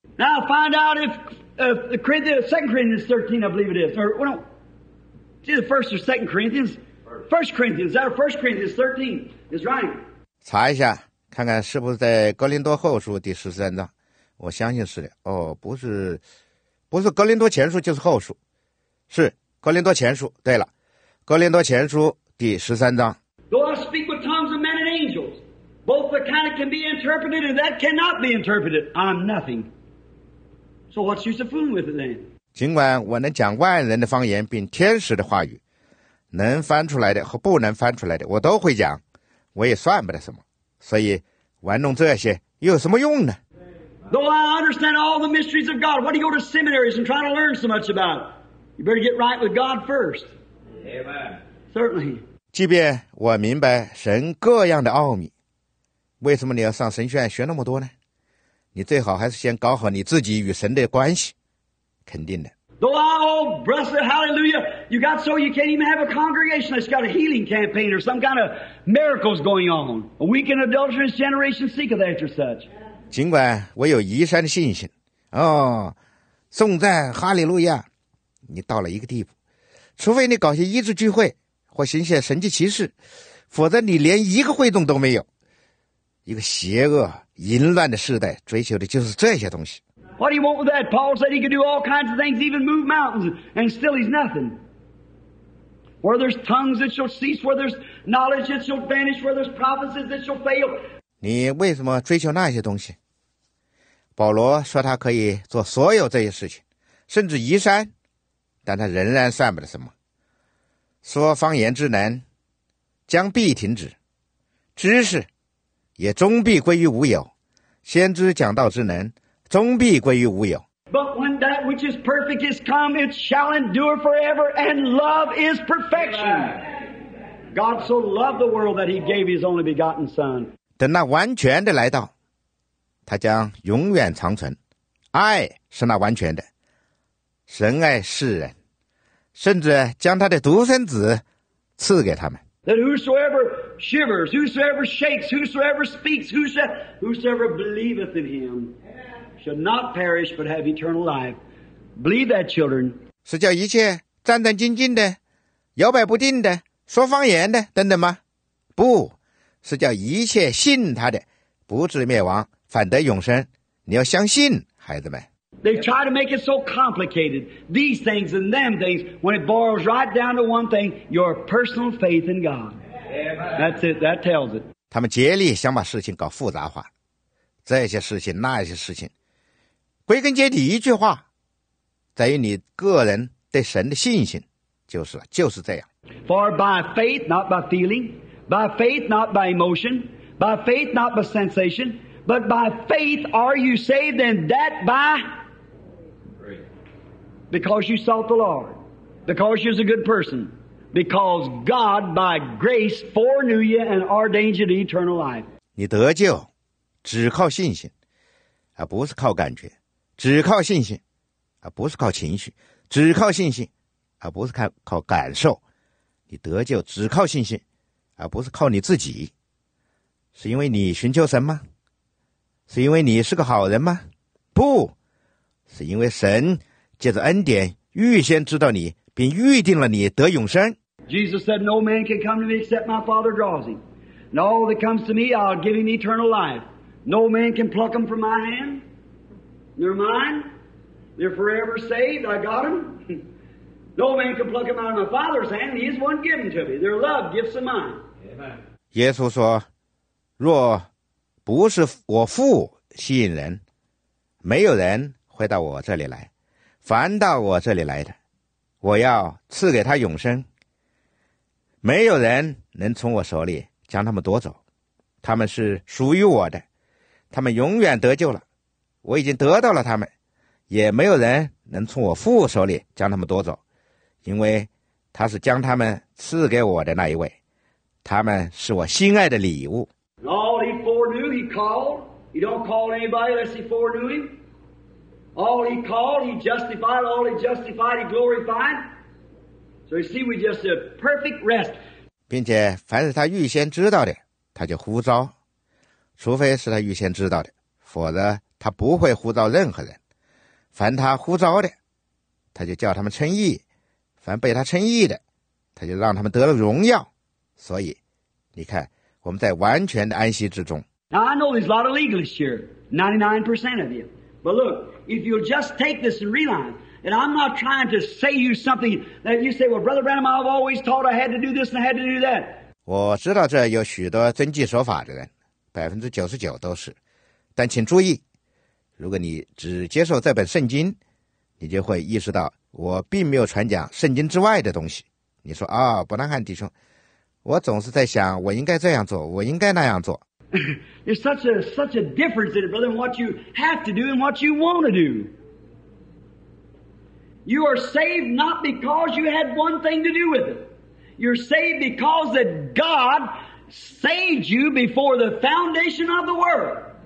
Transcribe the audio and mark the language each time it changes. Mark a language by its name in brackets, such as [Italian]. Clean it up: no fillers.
[English] Now find out if the Second Corinthians 13, I believe it is, or well, is it First or Second Corinthians? First Corinthians, that First Corinthians 13 is right. [Chinese] 查一下，看看是不是在《哥林多后书》第13章。我相信是的。哦，不是，不是《哥林多前书》就是后书，是《哥林多前书》。对了，《哥林多前书》。第13章。 [English] Though I speak with tongues of men and angels, both the kind can be interpreted and that cannot be interpreted. I'm nothing. So what's use of fooling with it then? [Chinese] 尽管我能讲万人的方言并天使的话语，能翻出来的和不能翻出来的我都会讲，我也算不得什么。所以玩弄这些又有什么用呢？ [English] Though I understand all the mysteries of God, what do you go to seminaries and try to learn so much about? You better get right with God first. Amen. Certainly. [Chinese] 即便我明白神各样的奥秘，为什么你要上神学院学那么多呢？你最好还是先搞好你自己与神的关系，肯定的。 [English] Though I all bless it, hallelujah, you got so you can't even have a congregation that's got a healing campaign or some kind of miracles going on. A weak and adulterous generation seeketh after such. [Chinese] 尽管我有移山的信心，哦，颂赞哈利路亚，你到了一个地步，除非你搞些医治聚会或行些神迹奇事，否则你连一个会动都没有。一个邪恶淫乱的时代追求的就是这些东西。 [English] What do you want with that? Paul said he could do all kinds of things, even move mountains, and still he's nothing. Where there's tongues, it shall cease. Where there's knowledge, it shall vanish. Where there's prophecies, it shall fail. [Chinese] 你为什么追求那些东西？保罗说他可以做所有这些事情，甚至移山，但他仍然算不了什么。说方言之难将必停止，知识也终必归于无有，先知讲道之能终必归于无有。 [English] But when that which is perfect is come, it shall endure forever, and love is perfection. God so loved the world that he gave his only begotten son. [Chinese] 等那完全的来到，他将永远长存。爱是那完全的，神爱世人，甚至将他的独生子赐给他们。 [English] That whosoever shivers, whosoever shakes, whosoever speaks, whosoever believeth in him shall not perish but have eternal life. Believe that, children. [Chinese] 是叫一切战战兢兢的、摇摆不定的、说方言的等等吗？不，是叫一切信他的不至灭亡，反得永生。你要相信，孩子们。 [English] They try to make it so complicated, these things and them things, when it boils right down to one thing, your personal faith in God. That's it, that tells it. [Chinese] 他们竭力想把事情搞复杂化，这些事情那些事情，归根结底一句话，在于你个人对神的信心，就是了，就是这样。 [English] For by faith, not by feeling, by faith, not by emotion, by faith, not by sensation, but by faith are you saved, and that by... Because you sought the Lord, because you're a good person, because God by grace foreknew you and ordained you to eternal life. [Chinese] 你得救，只靠信心，而不是靠感觉；只靠信心，而不是靠情绪；只靠信心，而不是靠感受。你得救只靠信心，而不是靠你自己。是因为你寻求神吗？是因为你是个好人吗？不，是因为神。借着恩典预先知道你，并预定了你得永生。 [English] Jesus said, No man can come to me except my Father draws him. And all that comes to me, I'll give him eternal life. No man can pluck them from my hand. They're mine. They're forever saved. I got them. No man can pluck them out of my Father's hand. He's one given to me. They're love, gifts of mine. Amen. [Chinese] 耶稣说，若不是我父吸引人，没有人会到我这里来。凡到我这里来的，我要赐给他永生。没有人能从我手里将他们夺走，他们是属于我的，他们永远得救了。我已经得到了他们，也没有人能从我父手里将他们夺走，因为他是将他们赐给我的那一位，他们是我心爱的礼物。 [English] All he foreknew, he called. He don't call anybody unless he foreknew him. All he called, he justified. All he justified, he glorified. So you see, we just a perfect rest. [Chinese] 并且凡是他预先知道的，他就呼召；除非是他预先知道的，否则他不会呼召任何人。凡他呼召的，他就叫他们称义；凡被他称义的，他就让他们得了荣耀。所以，你看，我们在完全的安息之中。 [English] Now I know there's a lot of legalists here, 99% of you, but look. If you'll just take this and realize, and I'm not trying to say you something that you say, well, Brother Branham, I've always taught I had to do this and I had to do that. [Chinese] 我知道这有许多遵纪守法的人，99%都是。但请注意，如果你只接受这本圣经，你就会意识到我并没有传讲圣经之外的东西。你说啊，伯南汉弟兄，我总是在想，我应该这样做，我应该那样做。 [English] There's such a difference in it, brother, in what you have to do and what you want to do. You are saved not because you had one thing to do with it. You're saved because that God saved you before the foundation of the world.